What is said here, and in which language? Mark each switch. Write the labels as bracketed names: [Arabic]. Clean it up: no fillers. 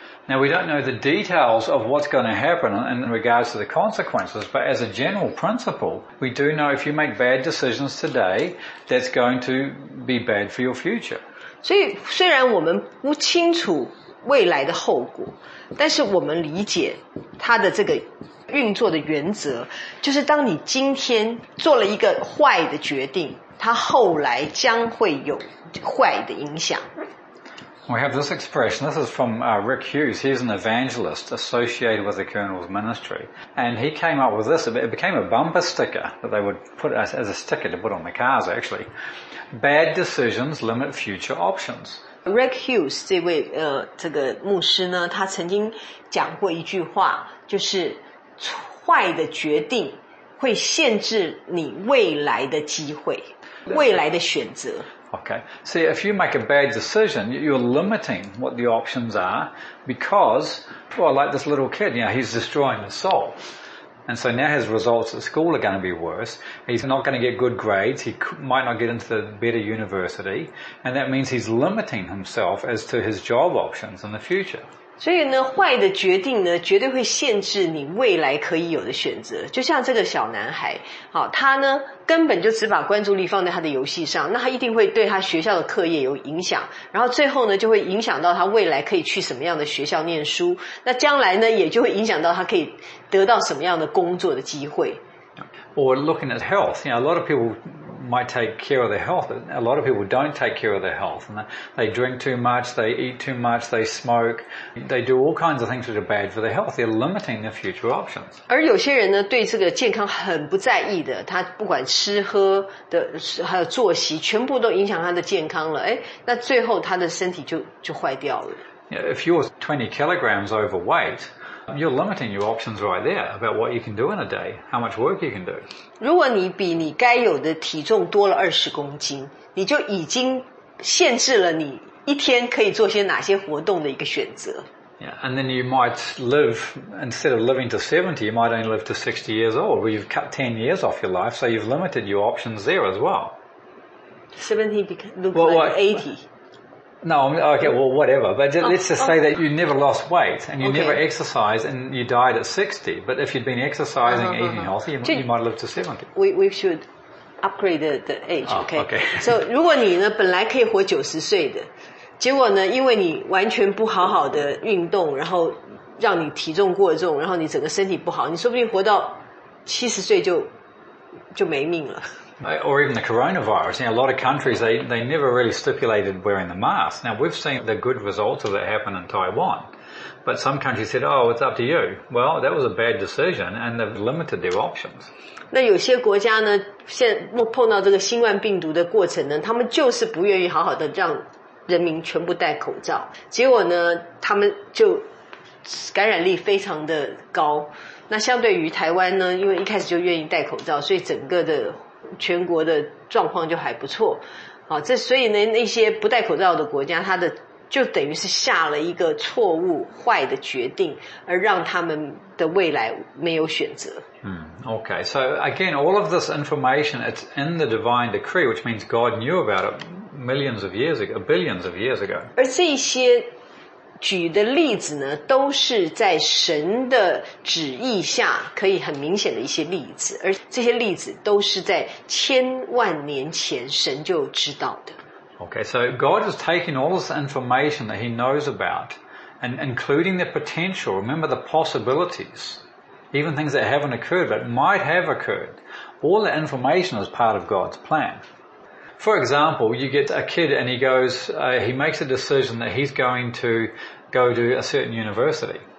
[English] Now we don't know the details of what's going to happen in regards to the consequences, but as a general principle, we do know if you make bad decisions today, that's going to be bad for your future. [Chinese] 所以虽然我们不清楚未来的后果，但是我们理解它的这个运作的原则，就是当你今天做了一个坏的决定，它后来将会有坏的影响。 [English] We have this expression, this is from Rick Hughes, he's an evangelist associated with the Colonel's ministry. And he came up with this, it became a bumper sticker that they would put as a sticker to put on the cars actually. Bad decisions limit future options. [Chinese] Rick Hughes 这位这个牧师呢，他曾经讲过一句话，就是坏的决定会限制你未来的机会，未来的选择。 Okay. [English] See, if you make a bad decision, you're limiting what the options are because, well, like this little kid, you know, he's destroying his soul. And so now his results at school are going to be worse. He's not going to get good grades. He might not get into the better university. And that means he's limiting himself as to his job options in the future. [Chinese] 所以呢，坏的决定呢，绝对会限制你未来可以有的选择。就像这个小男孩，好，他呢根本就只把关注力放在他的游戏上，那他一定会对他学校的课业有影响，然后最后呢就会影响到他未来可以去什么样的学校念书，那将来呢也就会影响到他可以得到什么样的工作的机会。 [English] Or looking at health, you know, a lot of people might take care of their health, but a lot of people don't take care of their health. And they drink too much, they eat too much, they smoke, they do all kinds of things that are bad for their health. They're limiting their future options. [Chinese] 而有些人呢，对这个健康很不在意的，他不管吃喝的，还有作息，全部都影响他的健康了。哎，那最后他的身体就坏掉了。 [English] If you're 20 kilograms overweight,You're limiting your options right there about what you can do in a day, how much work you can do. [Chinese] 如果你比你该有的体重多了20公斤，你就已经限制了你一天可以做些哪些活动的一个选择。 [English] Yeah, and then you might live, instead of living to 70, you might only live to 60 years old, where you've cut 10 years off your life, so you've limited your options there as well. 70 becomes well, like 80. No, okay, well, whatever. But let's just say that you never lost weight and you never exercised and you died at 60. But if you'd been exercising, eating healthy, you might live to 70. We should upgrade the age, okay? Okay. [Chinese] So, 如果你呢本来可以活90岁的，结果呢，因为你完全不好好的运动，然后让你体重过重，然后你整个身体不好，你说不定活到70岁就没命了。 [English] Or even the coronavirus. In a lot of countries, they never really stipulated wearing the mask. Now, we've seen the good results of that happen in Taiwan. But some countries said, oh, it's up to you. Well, that was a bad decision, and they've limited their options. [Chinese] 那有些国家呢，现在碰到这个新冠病毒的过程呢，他们就是不愿意好好的让人民全部戴口罩。结果呢，他们就感染力非常的高。那相对于台湾呢，因为一开始就愿意戴口罩，所以整个的全国的状况就还不错，好，这所以呢，那些不戴口罩的国家，他的就等于是下了一个错误坏的决定，而让他们的未来没有选择。 [English] Okay, so again, all of this information, it's in the divine decree, which means God knew about it millions of years ago, billions of years ago. [Chinese] 而这些举的例子呢，都是在神的旨意下可以很明显的一些例子，而这些例子都是在千万年前神就知道的。 [English] Okay, so God has taken all this information that he knows about, and including the potential, remember the possibilities, even things that haven't occurred but might have occurred, all the information is part of God's plan. For example, you get a kid and he makes a decision that he's going to go to a certain university.